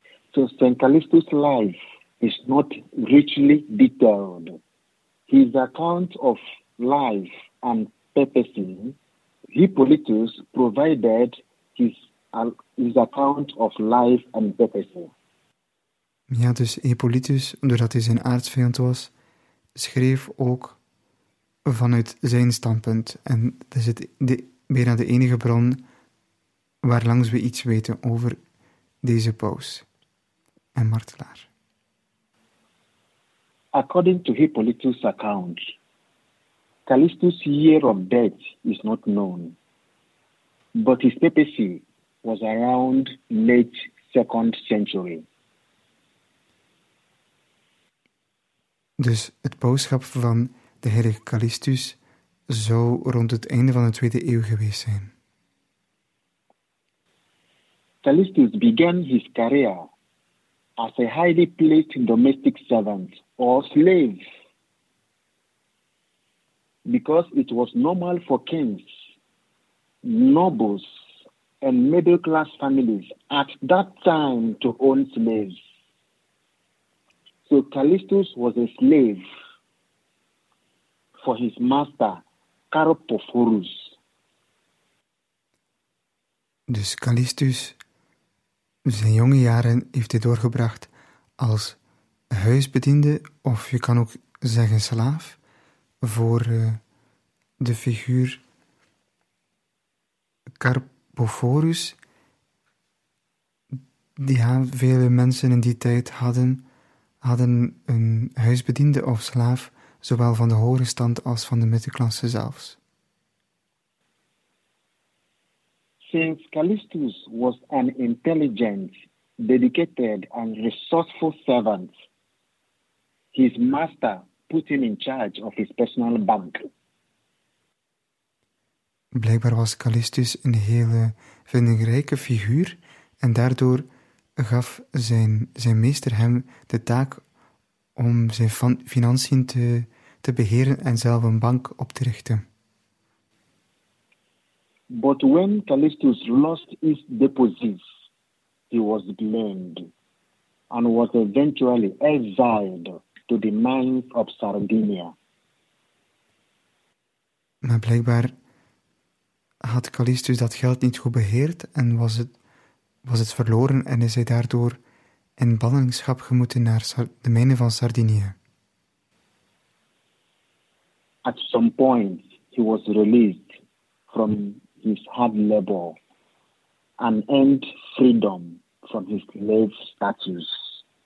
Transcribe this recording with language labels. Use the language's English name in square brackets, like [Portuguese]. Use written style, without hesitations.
[English] So St. Callistus' life is not richly detailed. His account of life and purpose, Hippolytus provided his account of life and purpose. [Dutch] Ja, dus Hippolytus, doordat hij zijn aartsvijand was, schreef ook vanuit zijn standpunt. En dat is bijna de enige bron waar langs we iets weten over deze paus en martelaar. [English] According to Hippolytus' account, Callistus' year of death is not known, but his papacy was around late 2nd century. [Dutch] Dus het pauschap van de heilige Callistus zou rond het einde van de 2e eeuw geweest zijn. [English] Callistus began his career as a highly placed domestic servant or slave, because it was normal for kings, nobles, and middle-class families at that time to own slaves. So Callistus was a slave for his master, Carpophorus. [Dutch] Dus Callistus, zijn jonge jaren heeft hij doorgebracht als huisbediende, of je kan ook zeggen slaaf, voor de figuur Carpophorus, die vele mensen in die tijd hadden een huisbediende of slaaf, zowel van de hoge stand als van de middenklasse zelfs. [English] Since Callistus was an intelligent, dedicated and resourceful servant, his master put him in charge of his personal bank. [Dutch] Blijkbaar was Callistus een hele vindingrijke figuur en daardoor gaf zijn meester hem de taak om zijn financiën te beheren en zelf een bank op te richten. [English] But when Callistus lost his deposits, he was blamed and was eventually exiled to the mines of Sardinia. [Dutch] Maar blijkbaar had Callistus dat geld niet goed beheerd en was het verloren en is hij daardoor in ballingschap gemoeten naar de mijnen van Sardinië. [English] At some point he was released from his hard labor and earned freedom from his slave status.